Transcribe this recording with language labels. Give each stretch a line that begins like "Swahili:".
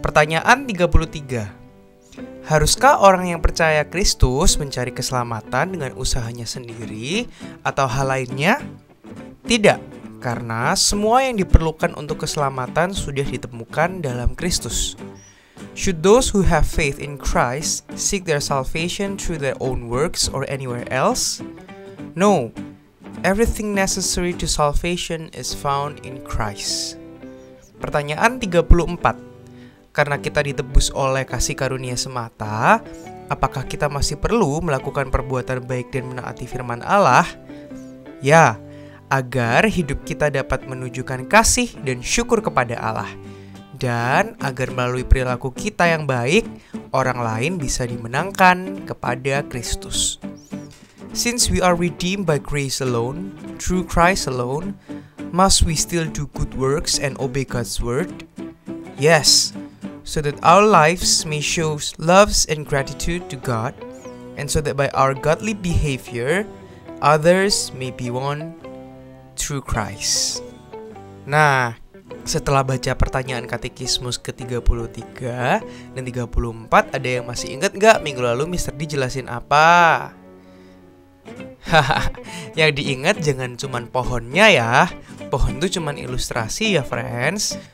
Indonesian: Pertanyaan 33. Haruskah orang yang percaya Kristus mencari keselamatan dengan usahanya sendiri atau hal lainnya? Tidak, karena semua yang diperlukan untuk keselamatan sudah ditemukan dalam Kristus.
English: Should those who have faith in Christ seek their salvation through their own works or anywhere else? No, everything necessary to salvation is found in Christ.
Indonesian: Pertanyaan 34. Karena kita ditebus oleh kasih karunia semata, apakah kita masih perlu melakukan perbuatan baik dan menaati firman Allah? Ya, agar hidup kita dapat menunjukkan kasih dan syukur kepada Allah. Dan agar melalui perilaku kita yang baik, orang lain bisa dimenangkan kepada Kristus.
English: Since we are redeemed by grace alone, through Christ alone, must we still do good works and obey God's word? Yes, so that our lives may show love and gratitude to God, and so that by our godly behavior, others may be won through Christ.
Indonesian: Nah, setelah baca pertanyaan Katekismus ke-33 dan 34, ada yang masih ingat gak minggu lalu Mr. D jelasin apa? Yang diingat jangan cuma pohonnya ya. Pohon itu cuma ilustrasi ya, friends.